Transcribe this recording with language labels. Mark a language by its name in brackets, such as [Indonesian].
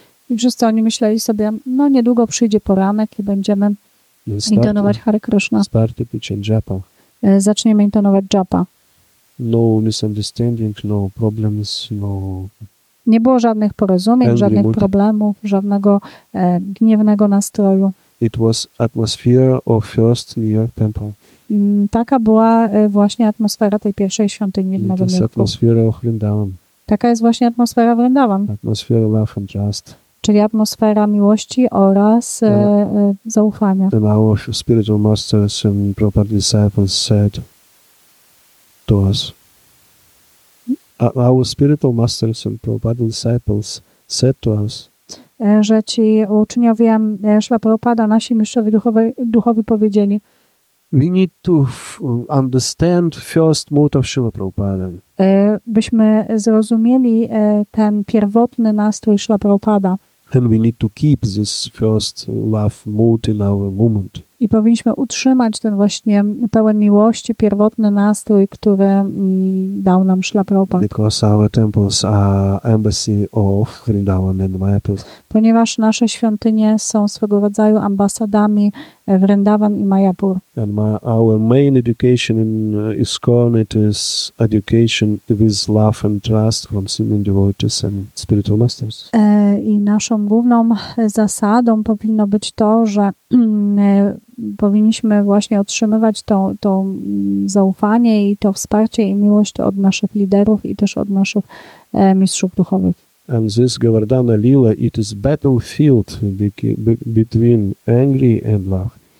[Polish] I wszyscy oni myśleli sobie, no niedługo przyjdzie poranek i będziemy intonować Hare Krishna. [English] Started to chant japa. [Polish] Zaczniemy intonować japa. [English] No misunderstandings, no problems, no... [Polish] Nie było żadnych porozumień, żadnych problemów, żadnego gniewnego nastroju. [English] It was atmosphere of first New York temple. [Polish] Taka była właśnie atmosfera tej pierwszej świątyni w Nowym Jorku. [English] Atmosfera of Vrindavan. [Polish] Taka jest właśnie atmosfera Vrindavan. [English] Atmosfera love and trust. [Polish] Czyli atmosfera miłości oraz zaufania. [English] And our spiritual masters and proper disciples said to us. Our spiritual masters and Prabhupada disciples said to us, [Polish] że ci uczniowie Śrila Prabhupada, nasi mistrzowie duchowi powiedzieli, [English] we need to understand first mood of Śrila Prabhupada. [Polish] Byśmy zrozumieli ten pierwotny nastrój Śrila Prabhupada. [English] And we need to keep this first love mood in our moment. [Polish] I powinniśmy utrzymać ten właśnie pełen miłości, pierwotny nastrój, który dał nam Śrila Prabhupada. [English] Because our temples are embassy of Vrindavan and Mayapur. [Polish] Ponieważ nasze świątynie są swego rodzaju ambasadami Vrindavan i Mayapur. [English] And our main education in ISKCON, it is education with love and trust from sincere devotees and spiritual masters. [Polish] I naszą główną zasadą powinno być to, że powinniśmy właśnie otrzymywać to zaufanie i to wsparcie i miłość od naszych liderów i też od naszych mistrzów duchowych. [English] And this Govardhana Lila, it is battlefield between angry and love.